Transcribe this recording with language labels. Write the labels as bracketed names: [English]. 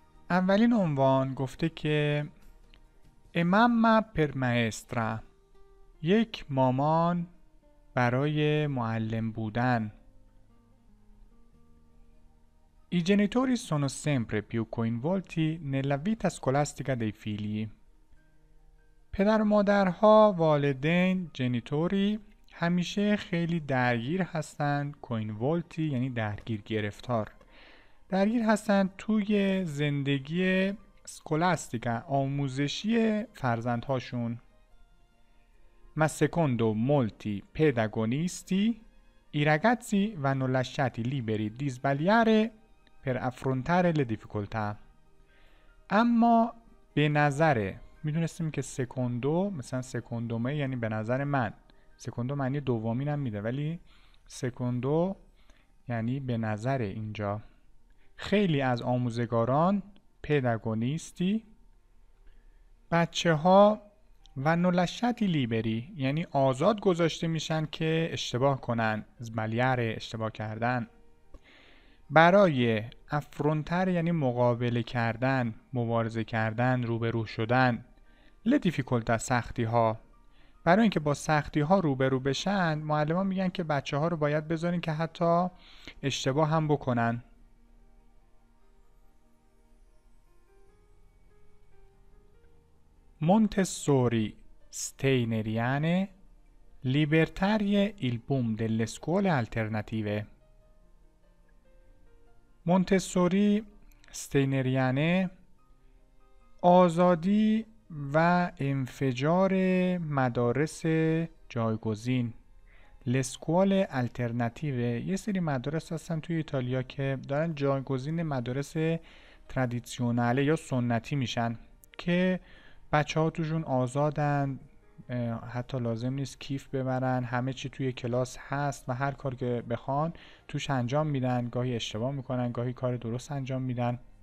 [Persian] اولین عنوان گفته که [Italian] اماما پر مایسترا، [Persian] یک مامان برای معلم بودن. [Italian] I genitori sono sempre più coinvolti nella vita scolastica dei figli. [Persian] پدر و مادرها، والدین، جنیتوری همیشه خیلی درگیر هستند، coinvolti یعنی درگیر گرفتار. درگیر هستند توی زندگی سکولاستیکا، آموزشی فرزندهاشون. [Italian] Ma secondo molti pedagogisti, i ragazzi vanno lasciati liberi di sbagliare per affrontare le difficoltà. [Persian] اما به نظر، میدونستیم که secondo مثلا [Italian] secondo me [Persian] یعنی به نظر من، secondo معنی دومین هم میده ولی secondo یعنی به نظر اینجا، خیلی از آموزگاران پدگونیستی بچه ها و [Italian] نلشتی لیبری [Persian] یعنی آزاد گذاشته میشن که اشتباه کنن، زبلیاره اشتباه کردن، برای افرونتر یعنی مقابله کردن، مبارزه کردن، روبرو شدن، لدیفیکولتا سختی ها، برای اینکه با سختی ها روبرو بشن معلم ها میگن که بچه ها رو باید بذارین که حتی اشتباه هم بکنن. [Italian] Montessori, Steineriane, libertarie il boom delle scuole alternative. [Persian] Montessori, Steineriane, آزادی و انفجار مدارس جایگزین. [Italian] Le scuole alternative. [Persian] یه سری مدارس هستن توی ایتالیا که دارن جایگزین مدارس تردیسیونال یا سنتی میشن که بچه ها توشون آزادن، حتی لازم نیست کیف ببرن، همه چی توی کلاس هست و هر کار که بخوان توش انجام میدن، گاهی اشتباه میکنن، گاهی کار درست انجام میدن.